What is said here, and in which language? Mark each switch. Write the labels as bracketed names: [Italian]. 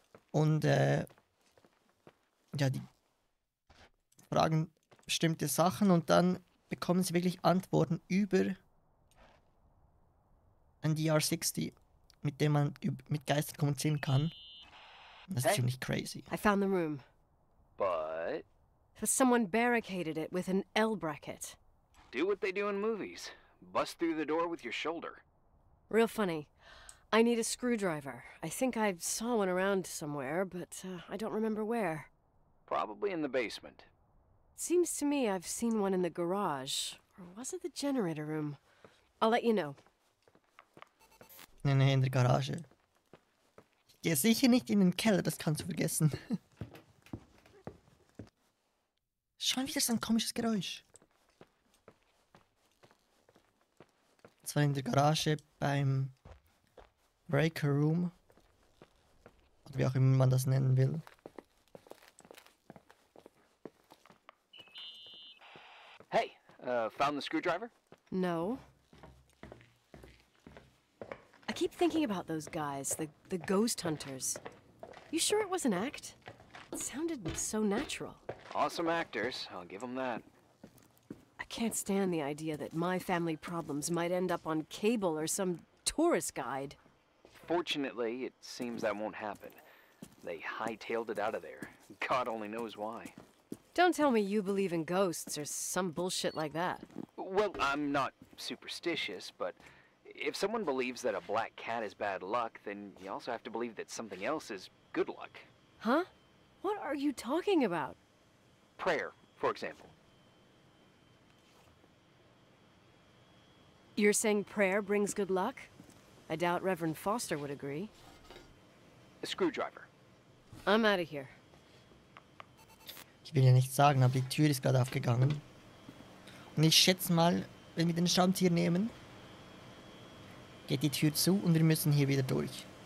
[German] Und, ja, die fragen bestimmte Sachen und dann bekommen sie wirklich Antworten über ein DR60, mit dem man mit Geistern kommunizieren kann. [English] That's hey, [German] ziemlich crazy. [English] I found the room. But? For someone barricaded it with an L bracket. Do what they do in movies. Bust through the door with your shoulder. Real funny. I need a screwdriver. I think I saw one around somewhere, but I don't remember where. Probably in the basement. Seems to me I've seen one in the garage. Or was it the generator room? I'll let you know. [German] Nee, in der Garage. Ja, sicher nicht in den Keller, das kannst du vergessen. Schon wieder so ein komisches Geräusch. Und zwar in der Garage beim Breaker Room. Oder wie auch immer man das nennen will. [English] Hey, found the screwdriver? No. I keep thinking about those guys, the ghost hunters. You sure it was an act? It sounded so natural. Awesome actors, I'll give them that. I can't stand the idea that my family problems might end up on cable or some tourist guide. Fortunately, it seems that won't happen. They hightailed it out of there. God only knows why. Don't tell me you believe in ghosts or some bullshit like that. Well, I'm not superstitious, but if someone believes that a black cat is bad luck, then you also have to believe that something else is good luck. Huh? What are you talking about? Prayer, for example. You're saying prayer brings good luck? I doubt Reverend Foster would agree. A screwdriver. I'm out of here. [German] Ich will ja nicht sagen, aber die Tür ist gerade aufgegangen. Und ich schätze mal, wenn wir den Schraubenzieher nehmen, geht die Tür zu und wir müssen hier wieder durch.